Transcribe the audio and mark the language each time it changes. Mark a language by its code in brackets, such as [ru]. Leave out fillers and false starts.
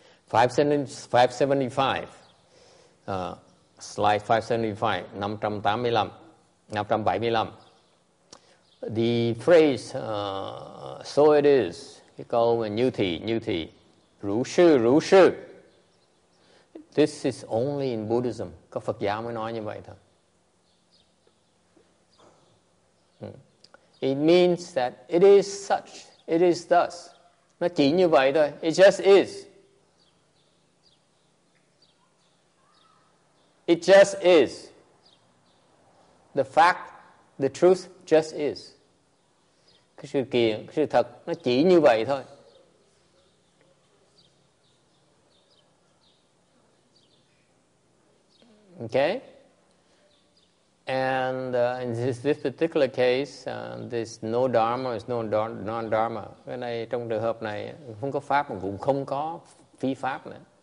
[en] 575. Slide 575, 585, 575. The phrase, so it is, [vi] cái câu mà như thị, rú sư. [en] This is only in Buddhism, [vi] có Phật giáo mới nói như vậy thôi. [en] It means that it is such, it is thus. [vi] Nó chỉ như vậy thôi, [en] it just is. It just is. The fact, the truth just is. [vi] Cái sự kiện, cái sự thật, nó chỉ như vậy thôi. [en] Okay? And in this particular case, there's no dharma, there's no non-dharma. [vi] Cái này, trong trường hợp này, không có pháp, cũng không có phi pháp nữa.